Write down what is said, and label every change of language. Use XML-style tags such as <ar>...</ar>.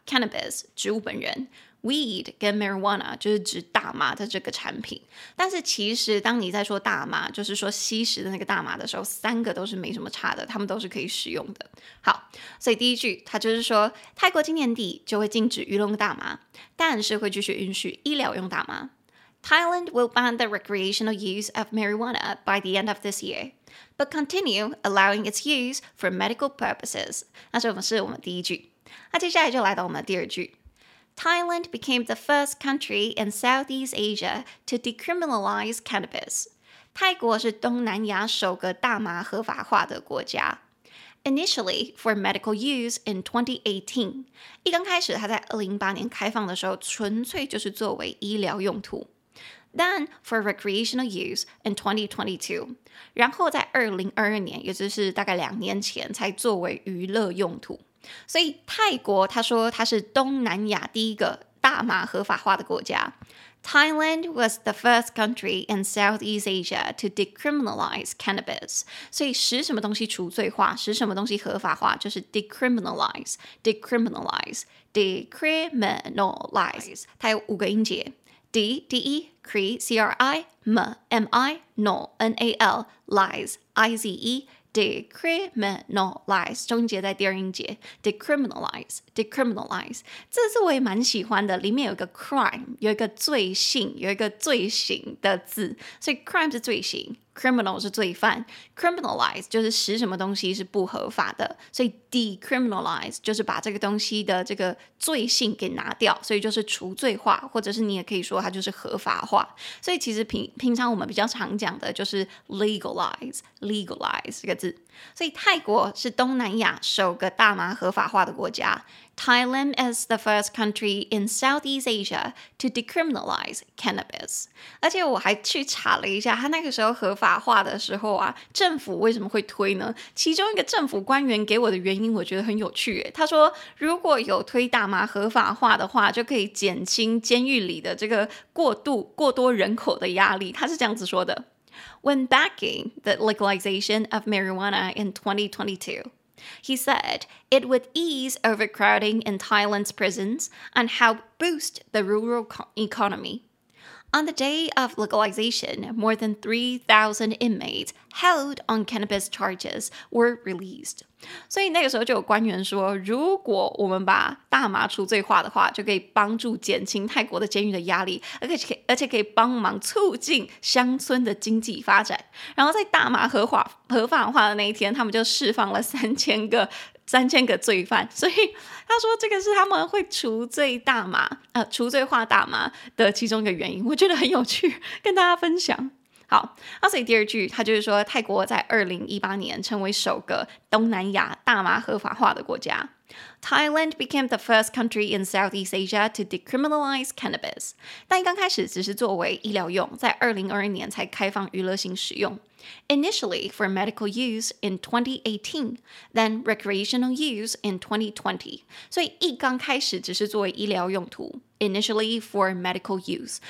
<zh>Cannabis 植物本人， Weed 跟 marijuana 就是指大麻的这个产品。但是其实当你在说大麻，就是说吸食的那个大麻的时候，三个都是没什么差的，他们都是可以使用的。好，所以第一句它就是说泰国今年底就会禁止娱乐用大麻，但是会继续允许医疗用大麻。</zh> <en>Thailand will ban the recreational use of marijuana by the end of this year, but continue allowing its use for medical purposes.</en> <zh>那这是我们第一句。那接下来就来到我们第二句。</zh> <en>Thailand became the first country in Southeast Asia to decriminalize cannabis.</en> <zh>泰国是东南亚首个大麻合法化的国家。</zh> <en>Initially for medical use in 2018.</en> <zh>一刚开始它在2008年开放的时候纯粹就是作为医疗用途。</zh> <en>Then for recreational use in 2022,</en> <zh>然后在2022年，也就是大概两年前才作为娱乐用途。所以泰国他说他是东南亚第一个大麻合法化的国家。</zh> <en>Thailand was the first country in Southeast Asia to decriminalize cannabis.</en> <zh>所以使什么东西除罪化，使什么东西合法化，就是 decriminalize, decriminalize, decriminalize. 它有五个音节。 D, D, E, CRI, CRI, M, MI, NO, NAL, LIES, IZE, DECRIMINALIZE, 中音节在第二音节 ,DECRIMINALIZE, DECRIMINALIZE, 这是我也蛮喜欢的，里面有一个 CRIME, 有一个罪性，有一个罪行的字，所以 CRIME 是罪行， CRIMINAL 是罪犯， CRIMINALIZE 就是使什么东西是不合法的，所以 DECRIMINALIZE 就是把这个东西的这个罪性给拿掉，所以就是除罪化，或者是你也可以说它就是合法化。所以其实 平常我们比较常讲的就是 legalize, legalize 这个字。所以泰国是东南亚首个大麻合法化的国家，</zh> <en>Thailand is the first country in Southeast Asia to decriminalize cannabis.</en> <zh>而且我还去查了一下，他那个时候合法化的时候啊，政府为什么会推呢？其中一个政府官员给我的原因，我觉得很有趣耶。他说，如果有推大麻合法化的话，就可以减轻监狱里的这个过多人口的压力。他是这样子说的。</zh> <en>When backing the legalization of marijuana in 2022, he said it would ease overcrowding in Thailand's prisons and help boost the rural economy. On the day of legalization, more than 3,000 inmates held on cannabis charges were released.</en> <zh>所以那个时候就有官员说，如果我们把大麻除罪化的话，就可以帮助减轻泰国的监狱的压力，而且可以帮忙促进乡村的经济发展。然后在大麻合法化的那一天，他们就释放了三千个罪犯。所以他说这个是他们会除罪化大麻的其中一个原因，我觉得很有趣，跟大家分享。好，那所以第二句他就是说，泰国在2018年成为首个东南亚大麻合法化的国家。</zh> <en>Thailand became the first country in Southeast Asia to decriminalize cannabis.</en> <zh>但刚开始只是作为医疗用，在2022年才开放娱乐性使用。</zh> <en>Initially for medical use in 2018, then recreational use in 2020.</en> <zh>所以一刚开始只是作为医疗用途。</zh> <en>Initially for medical use.</en>